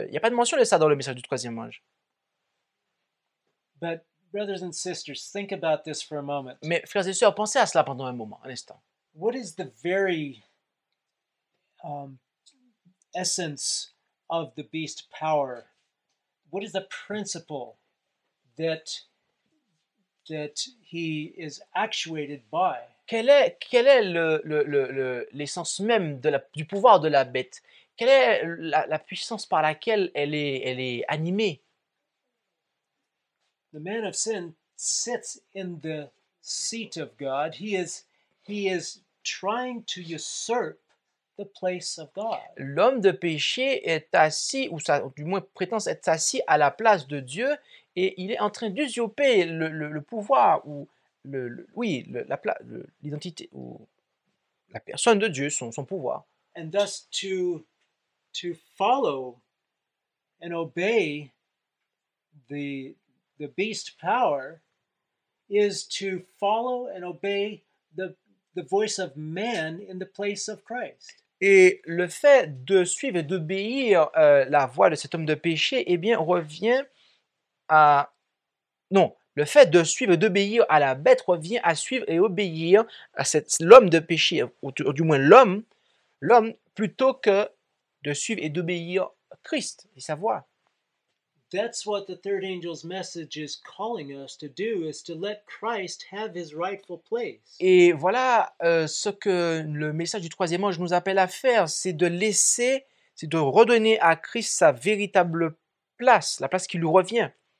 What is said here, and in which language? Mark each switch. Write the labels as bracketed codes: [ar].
[fr] Il n'y a pas de mention de ça dans le message du troisième ange. [en] But brothers and sisters, think about this for a moment. [fr] Mais frères et sœurs, pensez à cela pendant un moment, un instant. [en] What is the very essence of the beast power? What is the principle that he is actuated by? [fr] Quelle est l'essence même du pouvoir de la bête? Quelle est la puissance par laquelle elle est animée? [en] The man of sin sits in the seat of God. He is trying to usurp the place of God. [fr] L'homme de péché est assis, ou ça, du moins prétend être assis à la place de Dieu, et il est en train d'usurper le pouvoir ou l'identité ou la personne de Dieu, son pouvoir. [en] And thus to follow and obey the beast power is to follow and obey the voice of man in the place of Christ. [fr] Et le fait de suivre et d'obéir la voix de cet homme de péché, eh bien, revient à... Non, le fait de suivre et d'obéir à la bête revient à suivre et obéir à l'homme de péché, ou du moins l'homme, plutôt que de suivre et d'obéir à Christ et sa voix. [en] That's what the third angel's message is calling us to do, is to let Christ have his rightful place. [fr] Et voilà ce que le message du troisième ange nous appelle à faire, c'est de redonner à Christ sa véritable place, la place qui lui revient.